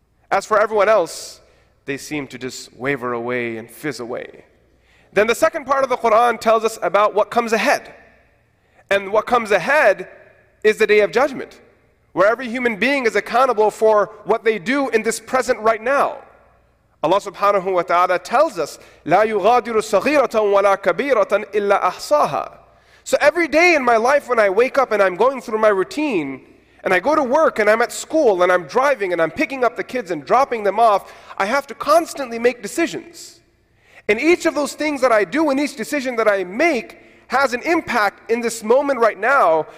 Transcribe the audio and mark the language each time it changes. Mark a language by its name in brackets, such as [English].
[English] As for everyone else, they seem to just waver away and fizz away. Then the second part of the Quran tells us about what comes ahead. And what comes ahead is the Day of Judgment, where every human being is accountable for what they do in this present right now. Allah subhanahu wa ta'ala tells us, [Arabic] لَا يُغَادِرُ صَغِيرَةً وَلَا كَبِيرَةً إِلَّا أَحْصَاهَا. [English] So every day in my life when I wake up and I'm going through my routine, and I go to work and I'm at school and I'm driving and I'm picking up the kids and dropping them off, I have to constantly make decisions. And each of those things that I do and each decision that I make has an impact in this moment right now.